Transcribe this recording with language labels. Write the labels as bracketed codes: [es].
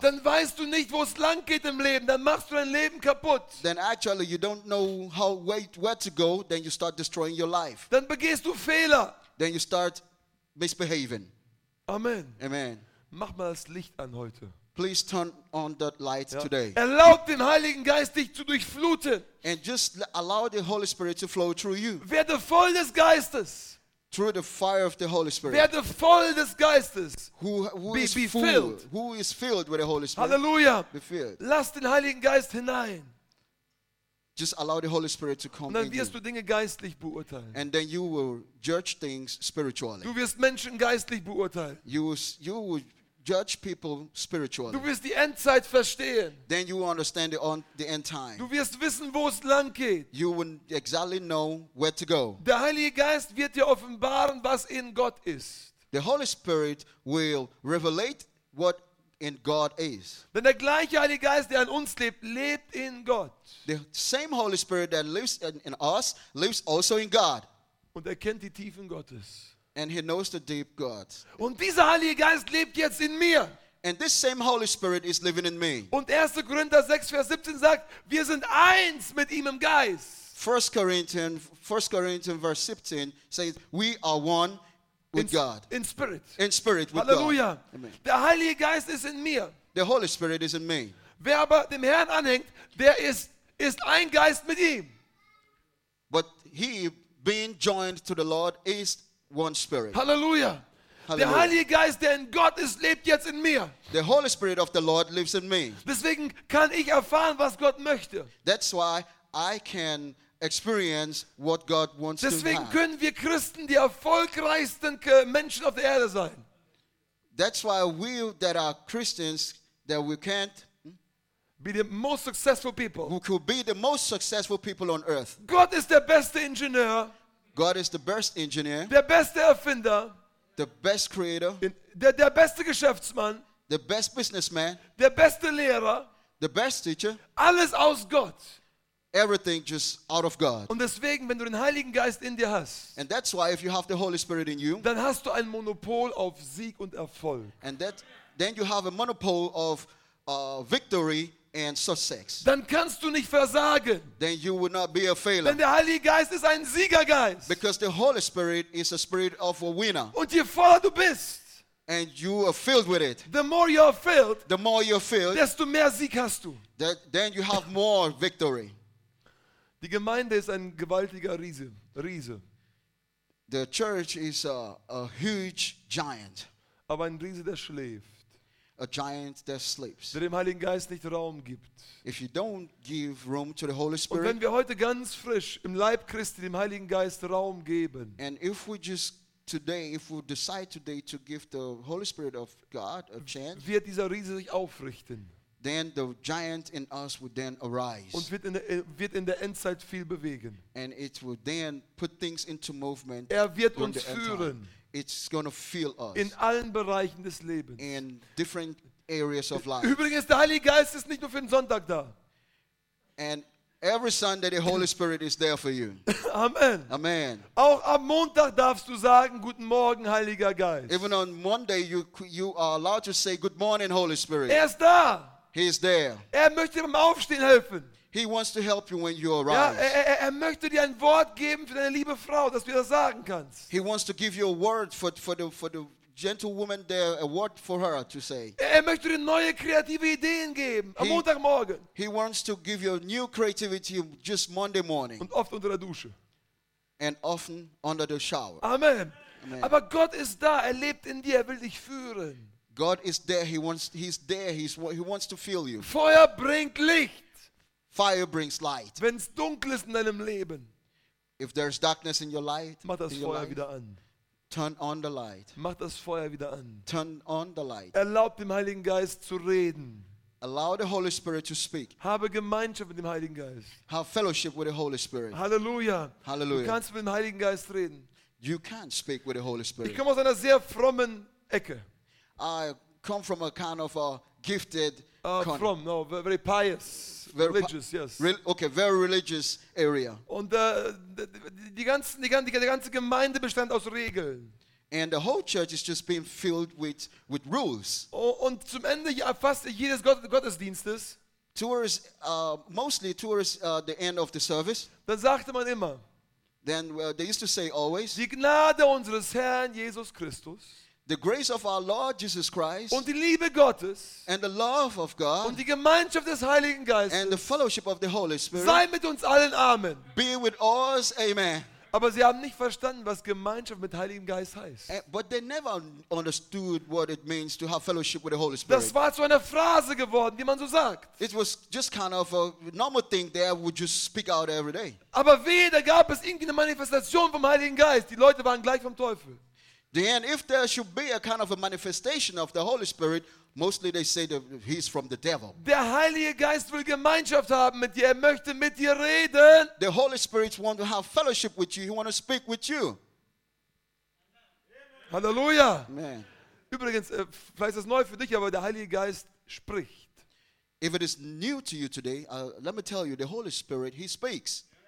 [de] Dann weißt du nicht, wo es lang geht im Leben. Dann machst du dein Leben kaputt. [en] Then actually you don't know how where to go. Then you start destroying your life. [de] Dann begehst du Fehler. [en] Then you start misbehaving. [de] Amen. [en] Amen. [de] Mach mal das Licht an heute. [en] Please turn on that light today. [de] Erlaub dem Heiligen Geist dich zu durchfluten. [en] And just allow the Holy Spirit to flow through you. [de] Werde voll des Geistes. [en] Through the fire of the Holy Spirit. [de] Werde voll des Geistes. [en] Who is filled? Who is filled with the Holy Spirit? [de] Hallelujah. [en] Be filled. [de] Lass den Heiligen Geist hinein. [en] Just allow the Holy Spirit to come. [de] Und dann wirst du Dinge geistlich beurteilen. [en] And then you will judge things spiritually. [de] Du wirst Menschen geistlich beurteilen. [en] You will judge people spiritually. [de] Du wirst die Endzeit verstehen. [en] Then you understand the end time. [de] Du wirst wissen, wo es lang geht. [en] You will exactly know where to go. [de] Der Heilige Geist wird dir offenbaren, was in Gott ist. [en] The Holy Spirit will revelate what in God is. [de] Denn der gleiche Heilige Geist, der an uns lebt, lebt in Gott. [en] The same Holy Spirit that lives in us lives also in God. [de] Und er kennt die Tiefen Gottes. [en] And he knows the deep God. [de] Und dieser Heilige Geist lebt jetzt in mir. [en] And this same Holy Spirit is living in me. [de] Und 1. Korinther 6, Vers 17 sagt, wir sind eins mit ihm im Geist. [en] 1 Corinthians verse 17 says, we are one with God. In spirit. In spirit with [de] Hallelujah. [en] God. [de] Hallelujah. Der Heilige Geist ist in mir. [en] The Holy Spirit is in me. [de] Wer aber dem Herrn anhängt, der ist ein Geist mit ihm. [en] But he being joined to the Lord is one spirit. [de] Hallelujah. [en] Hallelujah. [de] Der Heilige Geist, der in Gott ist, lebt jetzt in mir. [en] The Holy Spirit of the Lord lives in me. [de] Deswegen kann ich erfahren, was Gott möchte. [en] That's why I can experience what God wants [de] Deswegen [en] to have. [de] Deswegen können wir Christen die erfolgreichsten Menschen auf der Erde sein. [en] That's why we that are Christians that we can't be the most successful people. Who could be the most successful people on earth? [de] Gott ist der beste Ingenieur. [en] God is the best engineer. [de] Der beste Erfinder. [en] The best creator. [de] Der beste Geschäftsmann. [en] The best businessman. [de] Der beste Lehrer. [en] The best teacher. [de] Alles aus Gott. [en] Everything just out of God. [de] Und deswegen, wenn du den Heiligen Geist in dir hast. [en] And that's why if you have the Holy Spirit in you. [de] Dann hast du ein Monopol auf Sieg und Erfolg. [en] And then you have a monopol of victory and success. [de] Dann kannst du nicht versagen. [en] Then you will not be a failure. [de] Denn der Heilige Geist ist ein Siegergeist. [en] Because the Holy Spirit is a spirit of a winner. [de] Und je voller du bist, [en] and you are filled with it. The more you are filled, the more you're filled, [de] desto mehr Sieg hast du. [en] Then you have more victory. [de] Die Gemeinde ist ein gewaltiger Riese. [en] The church is a huge giant. [de] Aber ein Riese, der schläft. [en] A giant that sleeps. [de] Der dem Heiligen Geist nicht Raum gibt. [en] If you don't give room to the Holy Spirit. [de] Und wenn wir heute ganz frisch im Leib Christi dem Heiligen Geist Raum geben. [en] And if we just today, if we decide today to give the Holy Spirit of God a chance. [de] Wird dieser Riese sich aufrichten. [en] Then the giant in us would then arise. [de] Und wird in der Endzeit viel bewegen. [en] And it would then put things into movement. [de] Er wird uns führen. [en] It's going to fill us. [de] In allen Bereichen des Lebens. [en] In different areas of life. [de] Übrigens, der Heilige Geist ist nicht nur für den Sonntag da. [en] And every Sunday the Holy Spirit is there for you. [de] Amen. [en] Amen. [de] Auch am Montag darfst du sagen, guten Morgen, Heiliger Geist. [en] Even on Monday you are allowed to say good morning, Holy Spirit. [de] Er ist da. [en] He is there. [de] Er möchte beim Aufstehen helfen. [en] He wants to help you when you arise. [de] Ja, er möchte dir ein Wort geben für deine liebe Frau, dass du das sagen kannst. [en] He wants to give you a word for the gentle woman there, a word for her to say. [de] Er möchte dir neue kreative Ideen geben am Montagmorgen. [en] He wants to give you a new creativity just Monday morning. [de] Und oft unter der Dusche. [en] And often under the shower. Amen. Amen. [de] Aber Gott ist da, er lebt in dir, er will dich führen. [en] God is there. He wants to fill you. [de] Feuer bringt Licht. [en] Fire brings light. [de] Wenn's dunkel ist in deinem Leben, [en] if there's darkness in your light, [de] mach das Feuer wieder an. [en] Turn on the light. [de] Mach das Feuer wieder an. [en] Turn on the light. [de] Erlaub dem Heiligen Geist zu reden. [en] Allow the Holy Spirit to speak. [de] Habe Gemeinschaft mit dem Heiligen Geist. [en] Have fellowship with the Holy Spirit. [de] Hallelujah. [en] Hallelujah. [de] Du kannst mit dem Heiligen Geist reden. [en] You can speak with the Holy Spirit. [de] Ich komme aus einer sehr frommen Ecke. [en] I come from a kind of a gifted very pious, very religious, yes. Very religious area. [de] Und die ganze Gemeinde bestand aus Regeln. [en] And the whole church is just being filled with rules. [de] Und zum Ende fast jedes Gottesdienstes. [en] Towards the end of the service. [de] Dann sagte man immer. [en] Then they used to say always. [de] Die Gnade unseres Herrn Jesus Christus. [en] The grace of our Lord Jesus Christ [de] und die Liebe Gottes [en] and the love of God [de] und die Gemeinschaft des Heiligen Geistes [en] and the fellowship of the Holy Spirit [de] sei mit uns allen, Amen. [en] Be with us, Amen. [de] Aber sie haben nicht verstanden, was Gemeinschaft mit Heiligen Geist heißt. [en] But they never understood what it means to have fellowship with the Holy Spirit. [de] Das war so eine Phrase geworden, die man so sagt. [en] It was just kind of a normal thing that I would just speak out every day. [de] Aber weder gab es irgendeine Manifestation vom Heiligen Geist. Die Leute waren gleich vom Teufel. [en] Then, if there should be a kind of a manifestation of the Holy Spirit, mostly they say that he's from the devil. [de] Der Heilige Geist will Gemeinschaft haben mit dir. Er möchte mit dir reden. [en] The Holy Spirit wants to have fellowship with you. He wants to speak with you. [de] Hallelujah. [en] Amen. [de] Übrigens, vielleicht ist es neu für dich, aber der Heilige Geist spricht. [en] If it is new to you today, let me tell you, the Holy Spirit, he speaks.